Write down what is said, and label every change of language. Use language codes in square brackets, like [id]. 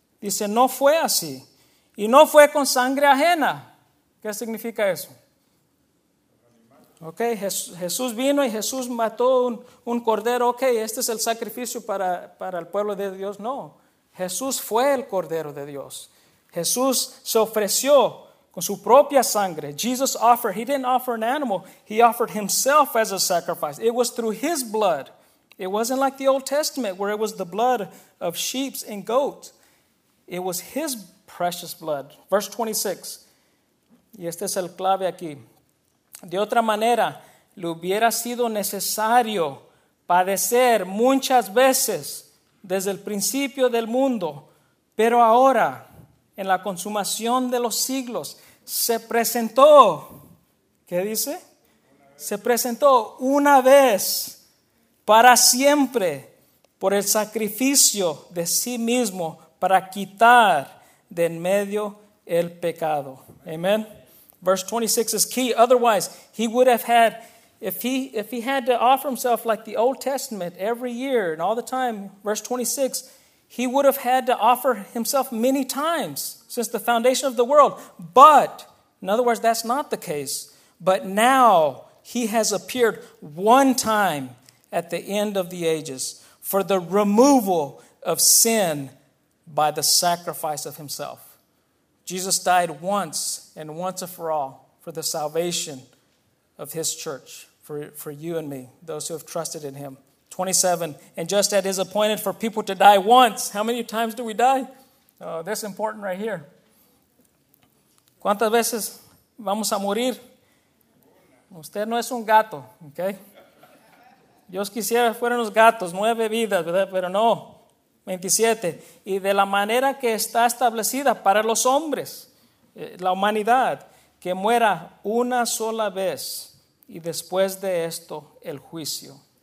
[es] Dice, no fue así. Y no fue con sangre ajena. ¿Qué significa eso? Ok, Jesús vino y Jesús mató un cordero. Ok, este es el sacrificio para el pueblo de Dios. No, Jesús fue el cordero de Dios. Jesús se ofreció con su propia sangre. [en] Jesus offered, he didn't offer an animal. He offered himself as a sacrifice. It was through his blood. It wasn't like the Old Testament where it was the blood of sheep and goats. It was his precious blood. Verse 26. [es] Y este es el clave aquí. De otra manera, le hubiera sido necesario padecer muchas veces desde el principio del mundo, pero ahora, en la consumación de los siglos, se presentó, ¿qué dice? Se presentó una vez para siempre por el sacrificio de sí mismo para quitar de en medio el pecado. [en] Amen. Verse 26 is key. Otherwise, he would have had, if he had to offer himself like the Old Testament every year and all the time, verse 26, he would have had to offer himself many times since the foundation of the world. But, in other words, that's not the case. But now he has appeared one time at the end of the ages for the removal of sin by the sacrifice of himself. Jesus died once and once and for all for the salvation of his church, for you and me, those who have trusted in him. 27, and just as it is appointed for people to die once. How many times do we die? Oh, that's important right here. [es] ¿Cuántas veces vamos a morir? Usted no es un gato, okay? Dios quisiera fueran los gatos, 9 vidas, ¿verdad? Pero no. 27, y de la manera que está establecida para los hombres, la humanidad, que muera una sola vez, y después de esto, el juicio.